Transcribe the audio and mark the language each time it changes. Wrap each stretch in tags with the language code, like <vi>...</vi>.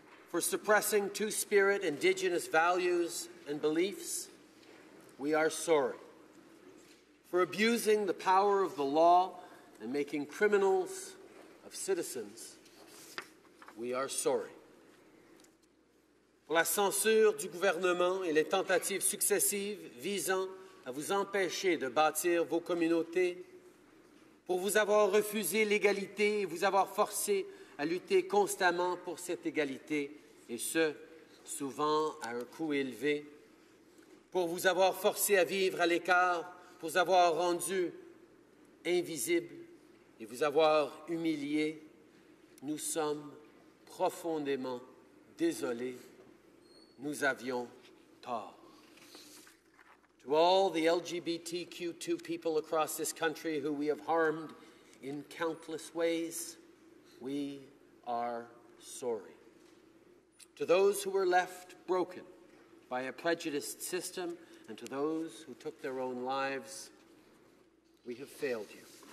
<en>For suppressing Two-Spirit Indigenous values and beliefs, we are sorry. For abusing the power of the law and making criminals of citizens, we are sorry.</en> <fr>Pour la censure du gouvernement et les tentatives successives visant à vous empêcher de bâtir vos communautés, pour vous avoir refusé l'égalité et vous avoir forcé à lutter constamment pour cette égalité, et ce, souvent à un coût élevé, pour vous avoir forcé à vivre à l'écart, pour vous avoir rendu invisible et vous avoir humilié, nous sommes profondément désolés. Nous avions tort.</fr> <en>To all the LGBTQ2 people across this country who we have harmed in countless ways, we are sorry. To those who were left broken by a prejudiced system and to those who took their own lives, we have failed you.</en>